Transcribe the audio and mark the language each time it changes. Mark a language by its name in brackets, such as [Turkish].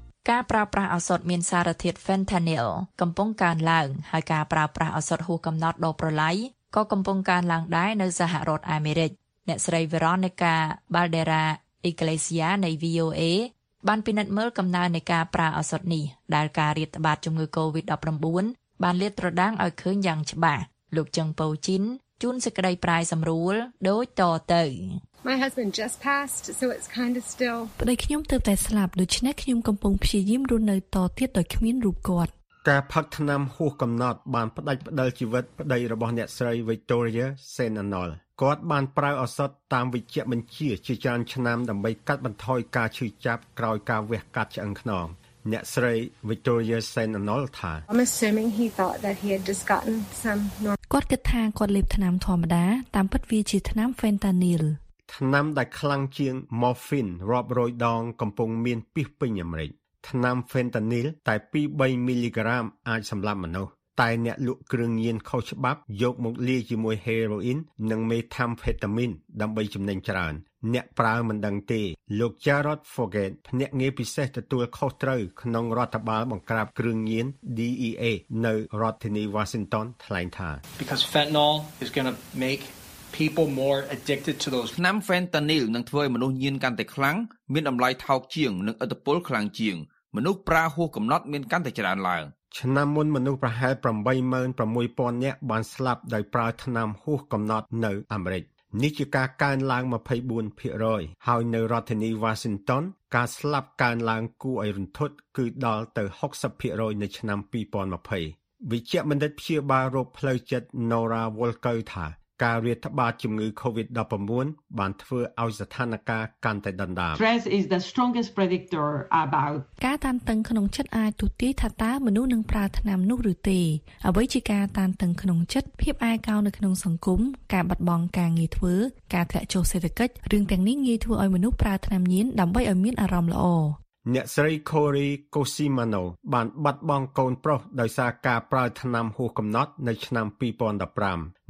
[Khmer] ការប្រើប្រាស់ឱសថមានសារធាតុ fentanyl កំពុងកើនឡើងហើយការប្រើប្រាស់ឱសថហួសកំណត់ដោប្រឡាយក៏កំពុងកើនឡើងដែរនៅសហរដ្ឋអាមេរិកអ្នកស្រី Veronica Baldera Iglesia នៃ VOA បានពិនិត្យមើលកំណើននៃការប្រើឱសថនេះដែលការរាតត្បាតជំងឺ COVID-19 បានលាតត្រដាងឲ្យឃើញយ៉ាងច្បាស់លោកចឹងពោជីនជួនសេចក្តីប្រាយសម្រួលដូចតទៅ [English] My husband just passed so it's kind of still [Khmer] ប្តីខ្ញុំទើបតែស្លាប់ដូច្នេះខ្ញុំកំពុងព្យាយាមរស់នៅតទៀតដោយគ្មានរូបគាត់ការផឹកថ្នាំហួសកំណត់បានផ្តាច់ផ្តិលជីវិតប្តីរបស់អ្នកស្រី Victoria Senanol គាត់បានប្រើឱសថតាមវេជ្ជបញ្ជាជាច្រើនឆ្នាំដើម្បីកាត់បន្ថយការឈឺចាប់ក្រោយការវះកាត់ឆ្អឹងខ្នងអ្នកស្រី Victoria Senanol ថា [English] I'm assuming he thought that he had just gotten some [Khmer] គាត់គិតថាគាត់លេបថ្នាំធម្មតាតាមពិតវាជាថ្នាំ Fentanyl ថ្នាំដែលខ្លាំងជាង morphine រាប់រយដងកំពុងមានពិសពេញអាមេរិកថ្នាំ fentanyl តែ 2-3 មីលីក្រាមអាចសម្លាប់មនុស្សតែអ្នកលក់គ្រឿងញៀនខុសច្បាប់យកមកលាយជាមួយ heroin និង methamphetamine ដើម្បីចំណេញច្រើនអ្នកប្រើមិនដឹងទេលោក Jarrod Forget ភ្នាក់ងារពិសេសទទួលខុសត្រូវក្នុងរដ្ឋបាលបង្ក្រាបគ្រឿងញៀន DEA នៅរដ្ឋធានី Washington ថ្លែងថា [English] Because fentanyl is going to makepeople more addicted to those [Khmer] ថ្នាំ fentanyl នឹងធ្វើឲ្យមនុស្សញៀនកាន់តែខ្លាំងមានតម្លៃថោកជាងនិងឥទ្ធិពលខ្លាំងជាងមនុស្សប្រើហួសកំណត់មានកាន់តែច្រើនឡើង ឆ្នាំមុនមនុស្សប្រហែល 86,000 នាក់បានស្លាប់ដោយប្រើថ្នាំហួសកំណត់នៅអាមេរិកនេះជាការកើនឡើង 24% ហើយនៅរដ្ឋធានី Washington ការស្លាប់កើនឡើងគួរឲ្យរន្ធត់គឺដល់ទៅ 60% នៅឆ្នាំ2020វិជ្ជបណ្ឌិតព្យាបាលរោគផ្លូវចិត្ត Nora Walker ថាការរាតត្បាតជំងឺ COVID-19 បានធ្វើឲ្យស្ថានភាពកាន់តែដុនដាប [English] Stress is the strongest predictor about [Khmer] ការតានតឹងក្នុងចិត្តអាចទូទាយថាតើមនុស្សនឹងប្រើថ្នាំនោះឬទេអ្វីជាការតានតឹងក្នុងចិត្តភាពឯកោនៅក្នុងសង្គមការបាត់បង់ការងារធ្វើការធ្លាក់ចុះសេដ្ឋកិច្ចរឿងទាំងនេះងាយធ្វើឲ្យមនុស្សប្រើថ្នាំញៀនដើម្បីឲ្យមានអារម្មណ៍ល្អ អ្នកស្រី Cory Cosimano បានបាត់បង់កូនប្រុសដោយសារការប្រើថ្នាំហួសកំណត់នៅឆ្នាំ2015